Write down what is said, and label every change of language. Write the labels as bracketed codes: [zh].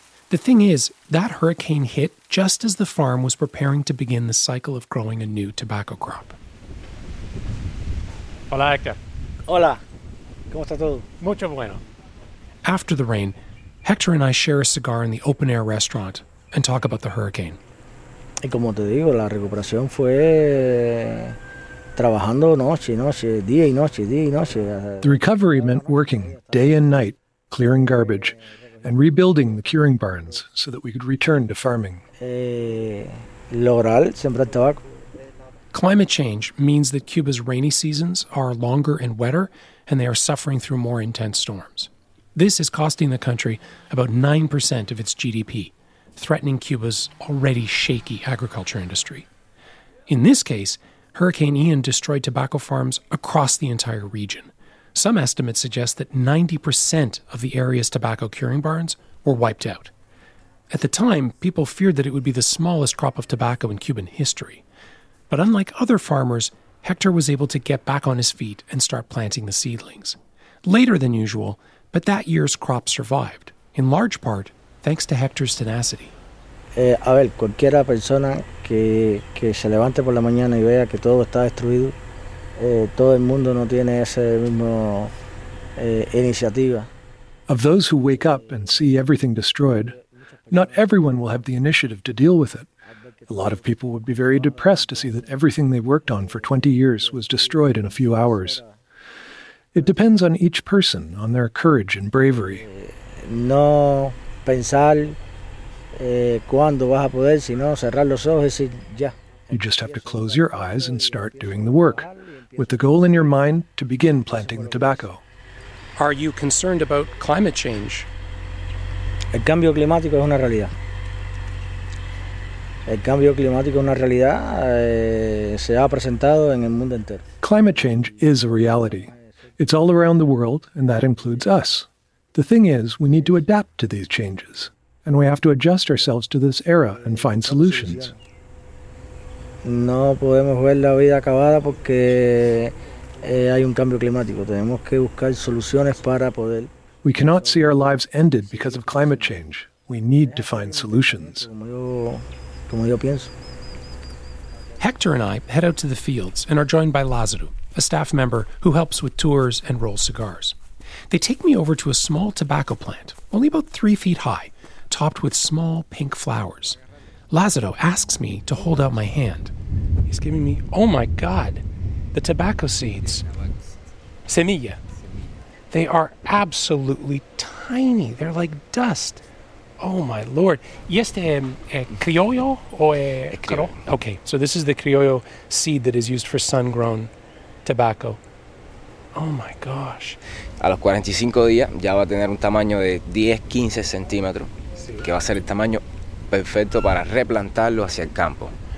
[en] The thing is, that hurricane hit just as the farm was preparing to begin the cycle of growing a new tobacco crop. [es] Hola, Hector. Hola. ¿Cómo está todo? Mucho bueno. [en] After the rain, Hector and I share a cigar in the open-air restaurant and talk about the hurricane. [es] Y como te digo, la recuperación fue... trabajando noche y noche, día y noche, día y noche. [en] The recovery meant working day and night, clearing garbage, and rebuilding the curing barns so that we could return to farming. [es] L'oral, siempre el tabaco. [en] Climate change means that Cuba's rainy seasons are longer and wetter, and they are suffering through more intense storms. This is costing the country about 9% of its GDP, threatening Cuba's already shaky agriculture industry. In this case, Hurricane Ian destroyed tobacco farms across the entire region. Some estimates suggest that 90% of the area's tobacco curing barns were wiped out. At the time, people feared that it would be the smallest crop of tobacco in Cuban history. But unlike other farmers, Hector was able to get back on his feet and start planting the seedlings. Later than usual, but that year's crop survived, in large part thanks to Hector's tenacity. [es] A ver, cualquiera persona que se levante por la mañana y vea que todo está destruido, todo el mundo no tiene ese mismo iniciativa. [en] Of those who wake up and see everything destroyed, not everyone will have the initiative to deal with it. A lot of people would be very depressed to see that everything they worked on for 20 years was destroyed in a few hours. It depends on each person, on their courage and bravery. [es] No pensar cuándo vas a poder, sino cerrar los ojos y decir ya. [en] You just have to close your eyes and start doing the work, with the goal in your mind to begin planting the tobacco. Are you concerned about climate change? [es] El cambio climático es una realidad. El cambio climático es una realidad, se ha presentado en el mundo entero. [en] Climate change is a reality. It's all around the world, and that includes us. The thing is, we need to adapt to these changes, and we have to adjust ourselves to this era and find solutions. [es] No podemos ver la vida acabada porque hay un cambio climático. Tenemos que buscar soluciones para poder... [en] We cannot see our lives ended because of climate change. We need to find solutions. [es] Como yo pienso. [en] Hector and I head out to the fields and are joined by Lazaru, a staff member who helps with tours and rolls cigars. They take me over to a small tobacco plant, only about 3 feet high, topped with small pink flowers. Lazaru asks me to hold out my hand. He's giving me, oh my God, the tobacco seeds. Semilla. They are absolutely tiny. They're like dust. Oh my Lord. [es] ¿Y este criollo o criollo? [en] Okay, so this is the criollo seed that is used for sun-grown tobacco. Oh my gosh. [es] A los 45 días ya va a tener un tamaño de 10-15 centímetros, sí. Que va a ser el tamaño perfecto para replantarlo hacia el campo.